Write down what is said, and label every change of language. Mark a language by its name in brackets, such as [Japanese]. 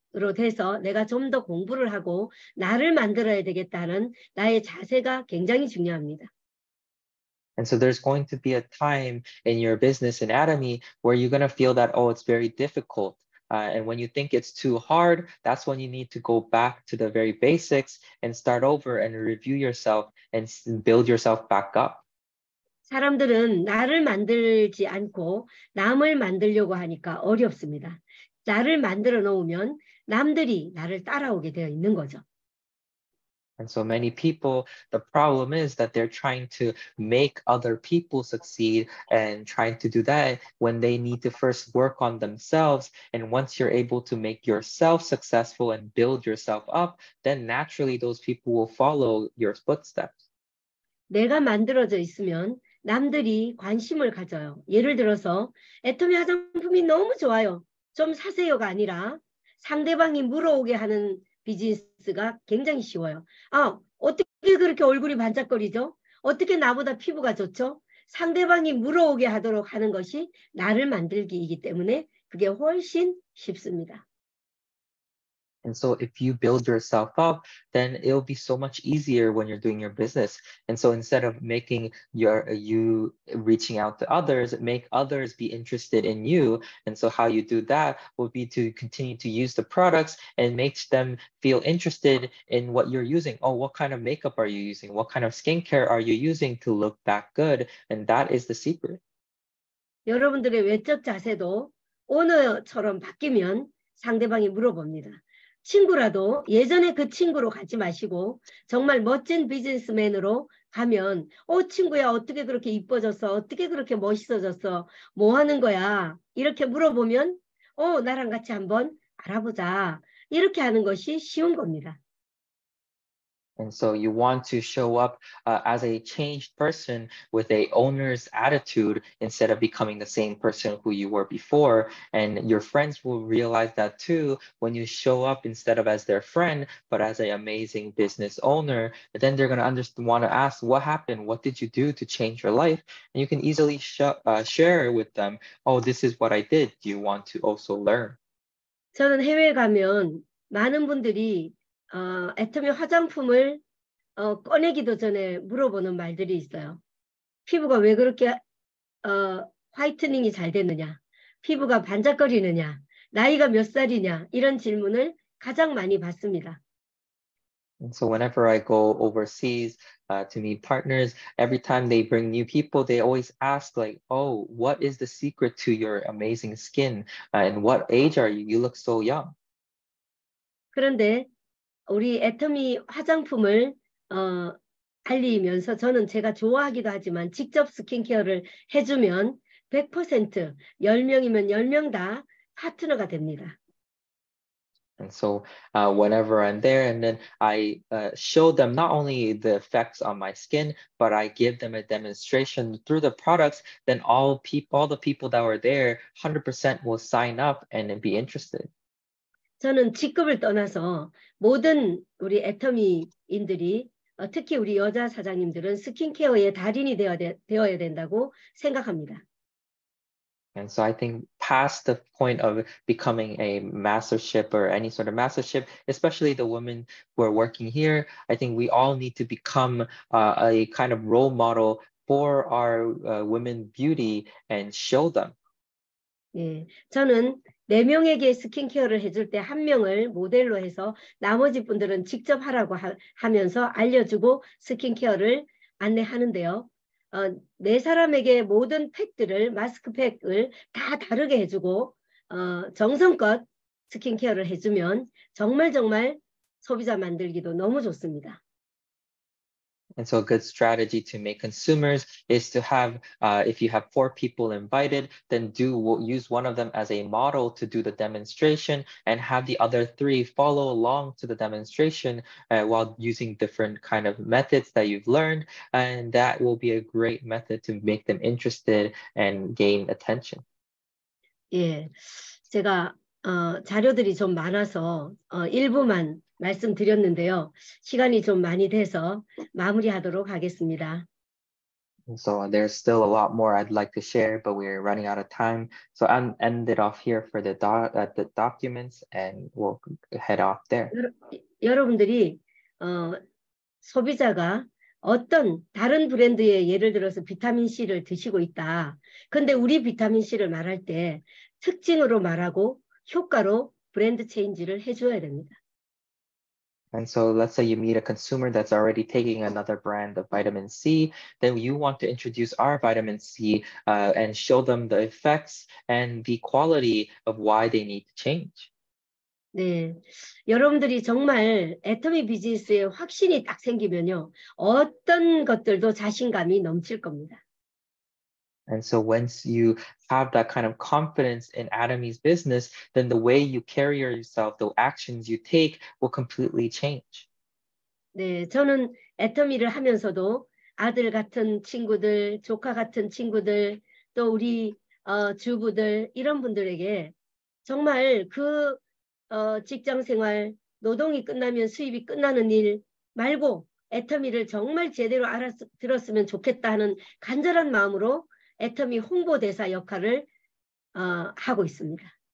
[Korean] 로 돼서 내가 좀 더 공부를 하고 나를 만들어야 되겠다는 나의 자세가 굉장히 중요합니다. [English] And so there's going to be a time in your business in Atomy where you're going to feel that, oh, it's very difficult. And when you think it's too hard, that's when you need to go back to the very basics and start over and review yourself and build yourself back up. [Korean] 사람들은 나를 만들지 않고 남을 만들려고 하니까 어렵습니다. 나를 만들어 놓으면 남들이 나를 따라오게 되어 있는 거죠. [English] And so many people, the problem is that they're trying to make other people succeed and trying to do that when they need to first work on themselves. And once you're able to make yourself successful and build yourself up, then naturally those people will follow your footsteps. [Korean] 내가 만들어져 있으면 남들이 관심을 가져요. 예를 들어서 애터미 화장품이 너무 좋아요. 좀 사세요가 아니라 상대방이 물어오게 하는 비즈니스가 굉장히 쉬워요. 아, 어떻게 그렇게 얼굴이 반짝거리죠? 어떻게 나보다 피부가 좋죠? 상대방이 물어오게 하도록 하는 것이 나를 만들기이기 때문에 그게 훨씬 쉽습니다. [English] And so if you build yourself up, then it'll be so much easier when you're doing your business. And so instead of making you reaching out to others, make others be interested in you. And so how you do that will be to continue to use the products and make them feel interested in what you're using. Oh, what kind of makeup are you using? What kind of skincare are you using to look that good? And that is the secret. [Korean] 여러분들의 외적 자세도 오너처럼 바뀌면 상대방이 물어봅니다. 친구라도 예전에 그 친구로 가지 마시고 정말 멋진 비즈니스맨으로 가면 어 친구야 어떻게 그렇게 이뻐졌어? 어떻게 그렇게 멋있어졌어? 뭐 하는 거야? 이렇게 물어보면 어 나랑 같이 한번 알아보자. 이렇게 하는 것이 쉬운 겁니다. [English] And so you want to show up as a changed person with a owner's attitude instead of becoming the same person who you were before. And your friends will realize that too when you show up instead of as their friend, but as an amazing business owner. But then they're going to want to ask, what happened? What did you do to change your life? And you can easily share with them, oh, this is what I did. Do you want to also learn? [Korean] 저는 해외에 가면 많은 분들이 애터미 화장품을 꺼내기도 전에 물어보는 말들이 있어요. 피부가 왜 그렇게 화이트닝이 잘 됐느냐, 피부가 반짝거리느냐, 나이가 몇 살이냐 이런 질문을 가장 많이 받습니다. [English] And so whenever I go overseas to meet partners, every time they bring new people, they always ask like, oh, what is the secret to your amazing skin? And what age are you? You look so young. [Korean] 그런데 우리 애터미 화장품을 알리면서 저는 제가 좋아하기도 하지만 직접 스킨케어를 해주면 100% 10명이면 10명 다 파트너가 됩니다. [English] And so whenever I'm there and then I show them not only the effects on my skin, but I give them a demonstration through the products, then all the people that were there 100% will sign up and be interested. [Korean] 저는 직급을 떠나서 모든 우리 애터미인들이 특히 우리 여자 사장님들은 스킨케어의 달인이 되어야 된다고 생각합니다. [English] And so I think past the point of becoming a mastership or any sort of mastership, especially the women who are working here, I think we all need to become a kind of role model for our women beauty and show them. [Korean] 네, 저는 네 명에게 스킨케어를 해줄 때 한 명을 모델로 해서 나머지 분들은 직접 하라고 하면서 알려주고 스킨케어를 안내하는데요. 네 사람에게 모든 팩들을 마스크팩을 다 다르게 해주고 정성껏 스킨케어를 해주면 정말 정말 소비자 만들기도 너무 좋습니다. [English] And so a good strategy to make consumers is to have, if you have 4 people invited, then use one of them as a model to do the demonstration and have the other 3 follow along to the demonstration while using different kind of methods that you've learned. And that will be a great method to make them interested and gain attention. [Korean] 예, 제가 자료들이 좀 많아서 일부만 말씀드렸는데요. 시간이 좀 많이 돼서 마무리하도록 하겠습니다. [English] So there's still a lot more I'd like to share, but we're running out of time. So I'm ended off here for the the documents, and we'll head off there. [Korean] 여러분들이 소비자가 어떤 다른 브랜드의 예를 들어서 비타민 C를 드시고 있다. 근데 우리 비타민 C를 말할 때 특징으로 말하고 효과로 브랜드 체인지를 해줘야 됩니다. [English] And so let's say you meet a consumer that's already taking another brand of vitamin C, then you want to introduce our vitamin C and show them the effects and the quality of why they need to change. [Korean] 네, 여러분들이 정말 애터미 비즈니스에 확신이 딱 생기면요, 어떤 것들도 자신감이 넘칠 겁니다. [English] And so once you have that kind of confidence in Atomy's business, then the way you carry yourself, the actions you take will completely change. [Korean] 네, 저는 애터미를 하면서도 아들 같은 친구들, 조카 같은 친구들, 또 우리 주부들 이런 분들에게 정말 그 직장 생활, 노동이 끝나면 수입이 끝나는 일 말고 애터미를 정말 제대로 알아들었으면 좋겠다 하는 간절한 마음으로 애터미 홍보대사 역할을 하고 있습니다.